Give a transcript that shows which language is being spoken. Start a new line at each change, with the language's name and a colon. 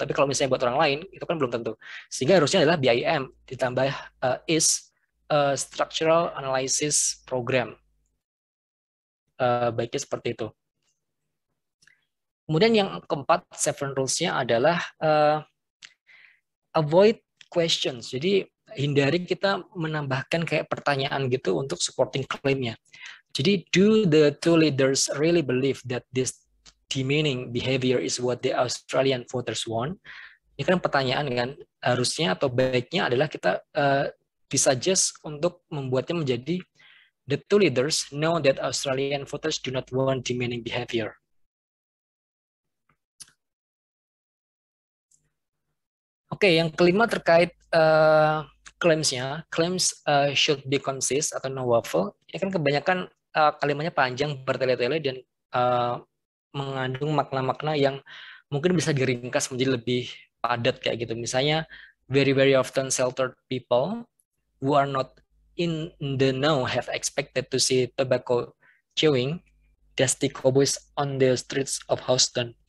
Indonesian: Tapi kalau misalnya buat orang lain, itu kan belum tentu. Sehingga harusnya adalah BIM ditambah is a Structural Analysis Program. Baiknya seperti itu. Kemudian yang keempat, seven rules-nya adalah
English: avoid questions.
Indonesian: Jadi hindari kita menambahkan kayak pertanyaan gitu untuk supporting claim-nya.
English: Jadi, do the two leaders really believe that this demeaning behavior is what the Australian voters want?
Indonesian: Ini kan pertanyaan kan, harusnya atau baiknya adalah kita bisa just untuk membuatnya menjadi
English: the two leaders know that Australian voters do not want demeaning behavior.
Indonesian: Oke, yang kelima terkait claims-nya,
English: claims should be concise
Indonesian: atau no waffle. Ini kan kebanyakan kalimatnya panjang bertele-tele dan mengandung makna-makna yang mungkin bisa diringkas menjadi lebih padat kayak gitu.
English: Misalnya, very very often sheltered people who are not in the know have expected to see tobacco chewing dusty cowboys on the streets of Houston.